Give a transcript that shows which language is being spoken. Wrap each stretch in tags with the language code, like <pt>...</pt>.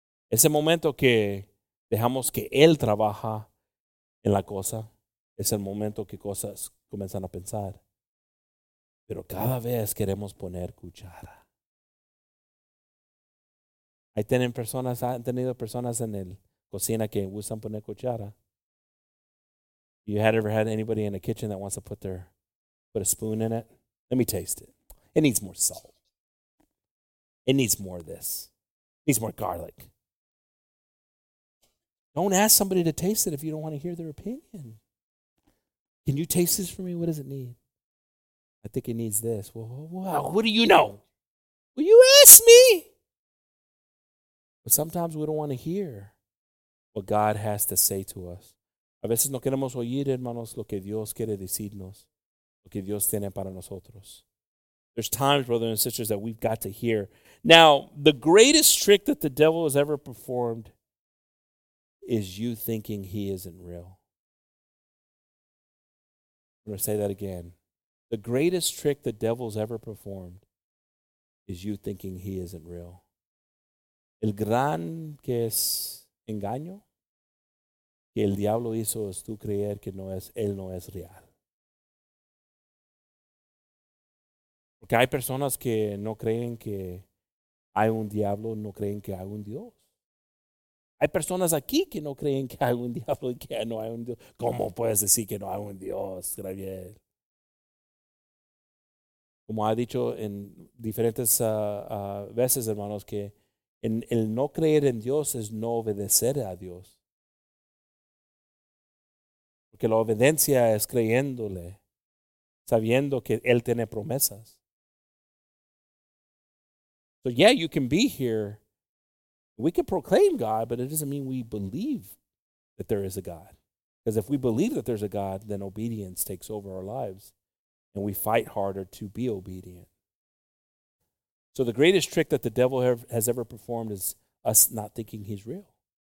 <es>Ese momento que dejamos que él trabaja en la cosa, es el momento que cosas comienzan a pensar. Pero cada vez queremos poner cuchara. Ahí tienen personas, han tenido personas en el cocina que gustan poner cuchara.</es> <en>You ever had anybody in the kitchen that wants to put a spoon in it? Let me taste it. It needs more salt. It needs more of this. It needs more garlic. Don't ask somebody to taste it if you don't want to hear their opinion. Can you taste this for me? What does it need? I think it needs this. Well, what do you know? Well, you ask me. But sometimes we don't want to hear what God has to say to us.</en> <es>A veces no queremos oír, hermanos, lo que Dios quiere decirnos, lo que Dios tiene para nosotros.</es> <en>There's times, brothers and sisters, that we've got to hear. Now, the greatest trick that the devil has ever performed is you thinking he isn't real. I'm going to say that again. The greatest trick the devil's ever performed is you thinking he isn't real.</en> <es>El gran que es engaño que el diablo hizo es tú creer que él no es real. Porque hay personas que no creen que hay un diablo, no creen que hay un Dios. Hay personas aquí que no creen que hay un diablo y que no hay un Dios. ¿Cómo puedes decir que no hay un Dios, Javier? Como ha dicho en diferentes veces, hermanos, que en el no creer en Dios es no obedecer a Dios. Porque la obediencia es creyéndole, sabiendo que Él tiene promesas.</es> <en>So yeah, you can be here. We can proclaim God, but it doesn't mean we believe that there is a God. Because if we believe that there's a God, then obedience takes over our lives. And we fight harder to be obedient. So the greatest trick that the devil has ever performed is us not thinking he's real.</en>